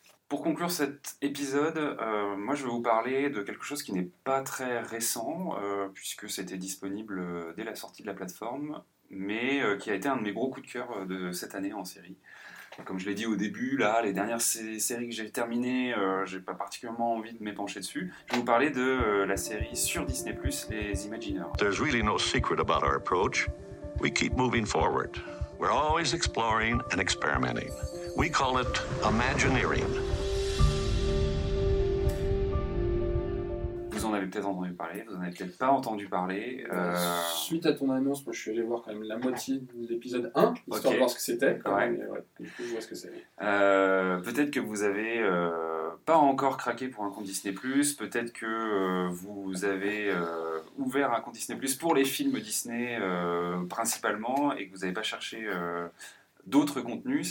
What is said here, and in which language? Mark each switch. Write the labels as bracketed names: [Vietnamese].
[French] Pour conclure cet épisode, moi je vais vous parler de quelque chose qui n'est pas très récent, puisque c'était disponible dès la sortie de la plateforme, mais qui a été un de mes gros coups de cœur de cette année en série. Comme je l'ai dit au début, là, les dernières séries que j'ai terminées, j'ai pas particulièrement envie de m'épancher dessus. Je vais vous parler de la série sur Disney+, Les Imagineurs. [English] There's really no secret about our approach. We keep moving forward. We're always exploring and experimenting. We call it Imagineering. [French] Vous en avez peut-être entendu parler, vous en avez peut-être pas entendu parler. Suite à ton annonce, moi, je suis allé voir quand même la moitié de l'épisode 1, histoire de voir ce que c'était. Quand même. Ouais. Du coup, je vois ce que c'est. Peut-être que vous avez pas encore craqué pour un compte Disney+, peut-être que vous avez ouvert un compte Disney+, pour les films Disney principalement, et que vous n'avez pas cherché... d'autres contenus.